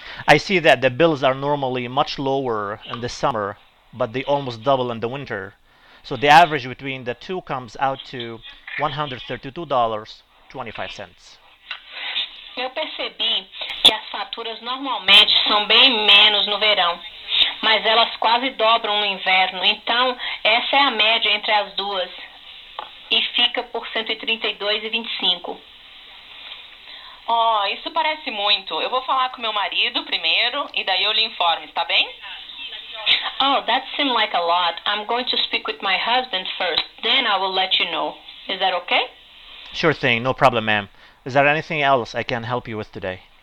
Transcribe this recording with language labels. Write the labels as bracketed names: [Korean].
[English] I see that the bills are normally much lower in the summer, but they almost double in the winter. So the average between the two comes out to $132.25. [Portuguese] Eu percebi que as faturas normalmente são bem menos no verão, mas elas quase dobram no inverno. Então, essa é a média entre as duas e fica por $132.25. Oh, isso parece muito. Eu vou falar com meu marido primeiro e daí eu lhe informo, tá bem? [English] Oh, that seems like a lot. I'm going to speak with my husband first, then I will let you know. Is that okay? Sure thing, no problem, ma'am. Is there anything else I can help you with today?